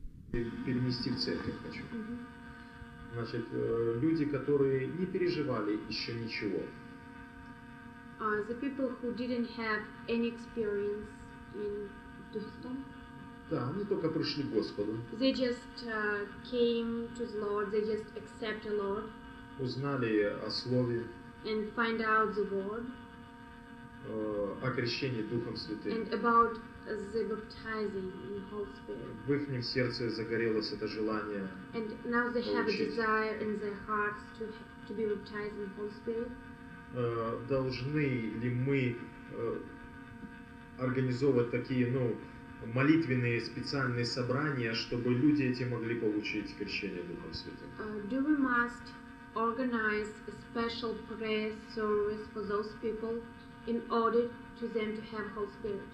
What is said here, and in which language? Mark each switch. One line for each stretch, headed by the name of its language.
Russian: Перенести в церковь хочу. Значит, люди, которые не переживали еще ничего.
English: The people who didn't have any experience in Duhistan.
Russian: Да, они только пришли к Господу.
English: They just came to the Lord. They just accept the Lord.
Russian: Узнали о слове.
English: And find out the word.
Russian: О крещении Духом Святым.
English: And about the baptizing in the Holy Spirit.
Russian: В их сердце загорелось это желание.
English: And now they have a desire in their hearts to be baptized in the Holy Spirit.
Russian: Должны ли мы организовать такие, ну, молитвенные специальные собрания, чтобы люди эти могли получить крещение Духом Святым.
English: Do we must organize a special prayer service for those people in order to them to have Holy Spirit?